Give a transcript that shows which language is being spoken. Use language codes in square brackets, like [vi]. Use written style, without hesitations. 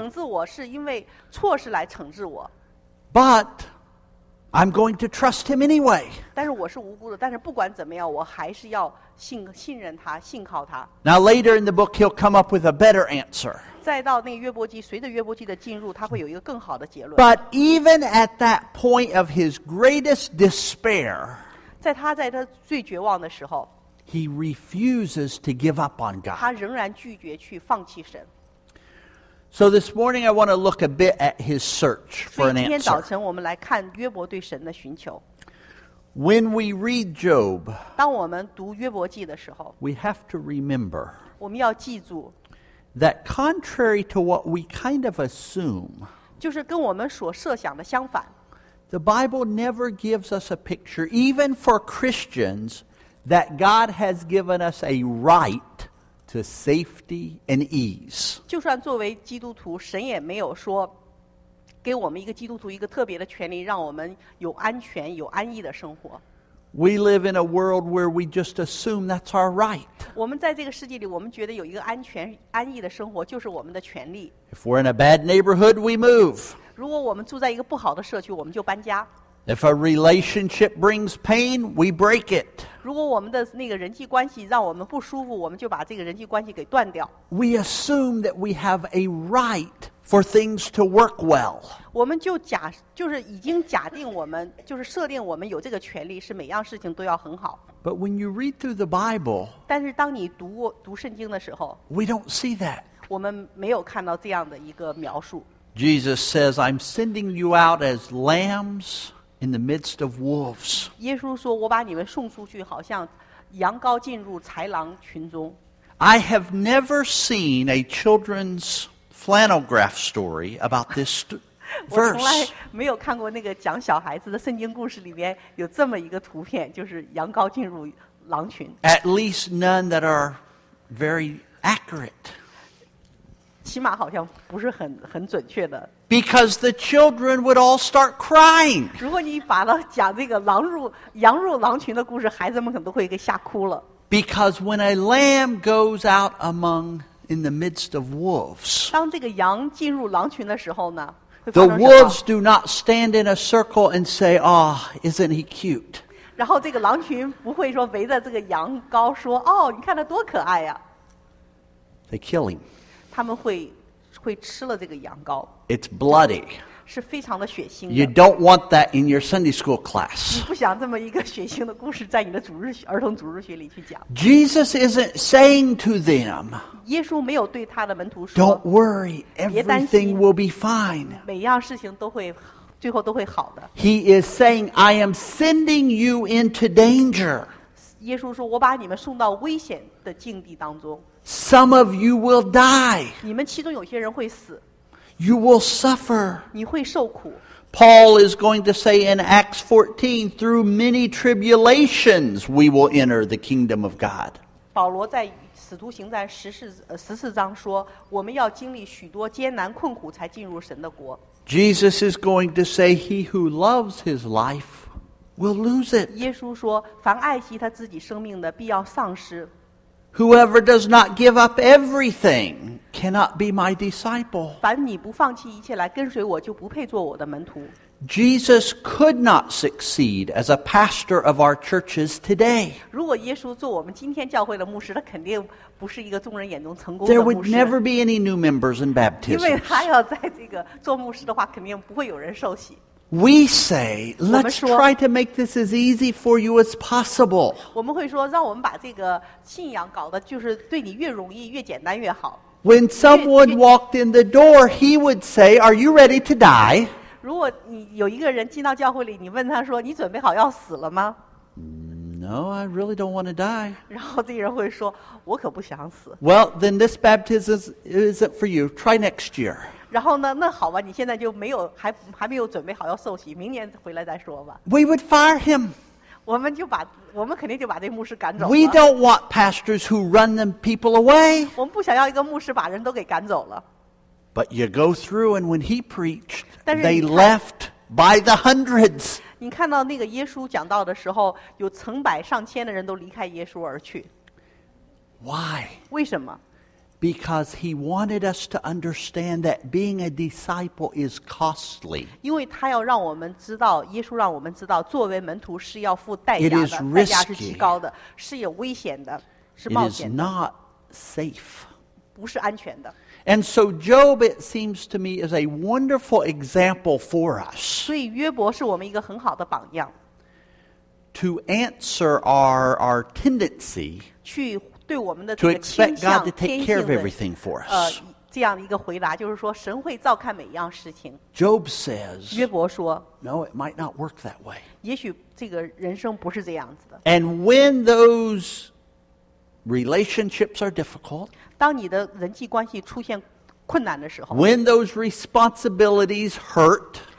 [zh] 惩治我是因为错事来惩治我。 [en] But I'm going to trust him anyway. [zh] 但是我是无辜的, 但是不管怎么样, 我还是要信任他, 信靠他。 [en] Now later in the book, he'll come up with a better answer. [zh] 再到那个约伯记, 随着约伯记的进入, 他会有一个更好的结论。 [en] But even at that point of his greatest despair, [zh] 在他最绝望的时候, [en] he refuses to give up on God. [zh] 他仍然拒绝去放弃神。 [en] So this morning I want to look a bit at his search for an answer. [zh] 今天早晨我们来看约伯对神的寻求。 [en] When we read Job, [zh] 当我们读约伯记的时候, [en] we have to remember, [zh] 我们要记住, [en] that contrary to what we kind of assume, [zh] 就是跟我们所设想的相反, [en] the Bible never gives us a picture, even for Christians, that God has given us a right to safety and ease. [zh] 就算作为基督徒，神也没有说给我们一个基督徒一个特别的权利，让我们有安全、有安逸的生活。 [en] We live in a world where we just assume that's our right. [zh] 我们在这个世界里，我们觉得有一个安全、安逸的生活就是我们的权利。 [en] If we're in a bad neighborhood, we move. [zh] 如果我们住在一个不好的社区，我们就搬家。 [en] If a relationship brings pain, we break it. [zh] 如果我们的那个人际关系让我们不舒服，我们就把这个人际关系给断掉。 [en] We assume that we have a right for things to work well. [zh] 我们就假，就是已经假定我们，就是设定我们有这个权利，是每样事情都要很好。 [en] But when you read through the Bible, [zh] 但是当你读圣经的时候， [en] we don't see that. [zh] 我们没有看到这样的一个描述。 [en] Jesus says, I'm sending you out as lambs in the midst of wolves. [zh] 耶稣说，我把你们送出去，好像羊羔进入豺狼群中。 [en] I have never seen a children's flannel graph story about this verse. [zh] 我从来没有看过那个讲小孩子的圣经故事里面有这么一个图片，就是羊羔进入狼群。 [en] At least none that are very accurate. [zh] 起码好像不是很准确的。 [en] Because the children would all start crying. [zh] 如果你把它讲这个羊入狼群的故事，孩子们可能都会给吓哭了。 [en] Because when a lamb goes out among in the midst of wolves, [zh] 当这个羊进入狼群的时候呢， [en] the wolves do not stand in a circle and say, "Ah, oh, isn't he cute?" [zh] 然后这个狼群不会说围着这个羊羔说，哦，你看他多可爱呀。 [en] They kill him. [zh] 他们会吃了这个羊羔。 [en] It's bloody. [zh] 是非常的血腥的。 [en] You don't want that in your Sunday school class. [zh] 你不想这么一个血腥的故事在你的主日儿童主日学里去讲。 [en] Jesus isn't saying to them, [zh] 耶稣没有对他的门徒说， [en] Don't worry, everything will be fine. [zh] 每样事情都会最后都会好的。 [en] He is saying, I am sending you into danger. [zh] 耶稣说，我把你们送到危险的境地当中。 [en] Some of you will die. [zh] 你们其中有些人会死。 [en] You will suffer. [zh] 你会受苦。 [en] Paul is going to say in Acts 14, through many tribulations we will enter the kingdom of God. [zh] 保罗在使徒行传十四章说，我们要经历许多艰难困苦才进入神的国。 [en] Jesus is going to say, he who loves his life will lose it. [zh] 耶稣说，凡爱惜他自己生命的必要丧失。 [en] Whoever does not give up everything cannot be my disciple. [zh] 凡你不放弃一切来跟随我，就不配做我的门徒。 [en] Jesus could not succeed as a pastor of our churches today. [zh] 如果耶稣做我们今天教会的牧师，他肯定不是一个众人眼中成功的牧师。 [en] There would never be any new members in baptism. [zh] 因为他要在这个做牧师的话，肯定不会有人受洗。 [en] We say, let's try to make this as easy for you as possible. [zh] 我们会说，让我们把这个信仰搞得就是对你越容易、越简单越好。 [en] When someone walked in the door, he would say, "Are you ready to die?" [zh] 如果你有一个人进到教会里，你问他说，你准备好要死了吗？ [en] No, I really don't want to die. [zh] 然后这个人会说，我可不想死。 [en] Well, then this baptism isn't for you. Try next year. [zh] 然后呢，那好吧，你现在就没有还没有准备好要受洗，明年回来再说吧。 [en] We would fire him. [zh] 我们肯定就把这牧师赶走了。 [en] We don't want pastors who run them people away. [zh] 我们不想要一个牧师把人都给赶走了。 [en] But you go through, and when he preached, they left by the hundreds. [zh] 你看到那个耶稣讲道的时候，有成百上千的人都离开耶稣而去。 [en] Why? [zh] 为什么？ [en] Because he wanted us to understand that being a disciple is costly. [zh] 因为他要让我们知道，耶稣让我们知道，作为门徒是要付代价的。 [en] It is risky. [zh] 代价是极高的，是有危险的，是冒险的。 [en] It is not safe. [zh] 不是安全的。 [en] And so Job, it seems to me, is a wonderful example for us. [zh] 所以约伯是我们一个很好的榜样。 [en] To answer our tendency, [zh] 去对我们的这个倾向， [en] to expect God to take care of everything for us. [zh] 这样的一个回答，就是说神会照看每一样事情。 [en] Job says, [zh] 约伯说， [en] No, it might not work that way. [zh] 也许这个人生不是这样子的。 [en] And when those relationships are difficult, [zh] 当你的人际关系出现困难的时候， [en] when those responsibilities hurt,